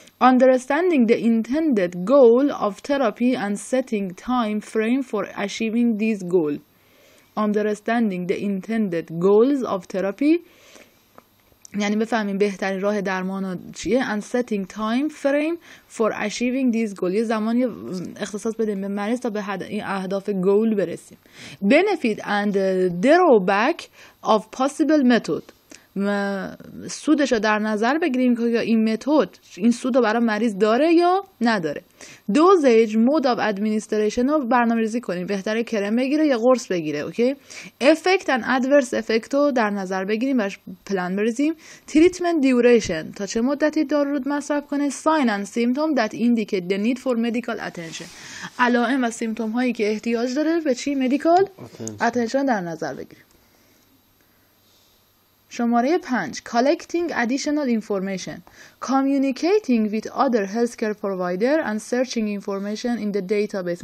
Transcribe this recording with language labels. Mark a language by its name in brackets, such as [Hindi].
[English] Understanding the intended goal of therapy and setting time frame for achieving this goal. Understanding the intended goals of therapy. [Persian] یعنی بفهمیم بهترین راه درمان چیه. [English] And setting time frame for achieving this goal. [Persian] یه زمانی اختصاص بدیم به مریض تا به این اهداف گول برسیم. [English] Benefit and drawback of possible method. [Persian] سودش رو در نظر بگیریم که یا این متد این سود رو برای مریض داره یا نداره. [English] dosage, mode of administration [Persian] رو برنامه ریزی کنیم، بهتره کرم بگیره یا قرص بگیره. اوکی؟ [English] effect and adverse effect [Persian] رو در نظر بگیریم، برش پلان بریزیم. [English] treatment duration, [Persian] تا چه مدتی دارو رو مصرف کنه. [English] sign and symptom that indicate the need for medical attention, [Persian] علائم و سیمتوم هایی که احتیاج داره به چی [English] medical attention [Persian] در نظر بگیریم. شماره [English] 5 collecting additional information, communicating with other healthcare provider and searching information in the database.